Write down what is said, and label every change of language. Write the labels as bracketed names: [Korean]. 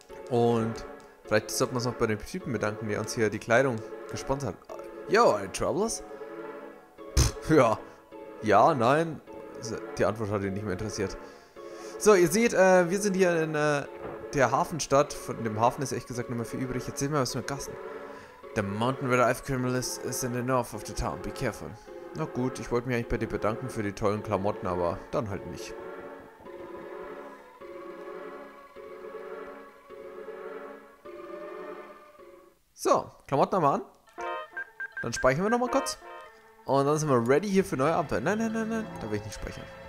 [German] Und vielleicht sollten wir uns noch bei den Typen bedanken, die uns hier die Kleidung gesponsert haben. [English] Yo, are you travelers? Pff, [German] ja. Ja, nein. Die Antwort hat ihn nicht mehr interessiert. So, ihr seht, wir sind hier in der Hafenstadt. Von dem Hafen ist ehrlich gesagt nicht mehr viel übrig. Jetzt sehen wir, was mit Gassen. [English] The Mountain Red Ive Criminal is in the north of the town. Be careful. [German] Na gut, ich wollte mich eigentlich bei dir bedanken für die tollen Klamotten, aber dann halt nicht. So, Klamotten haben wir an. Dann speichern wir nochmal kurz. Und dann sind wir ready hier für neue Abenteuer. Nein. Da will ich nicht speichern.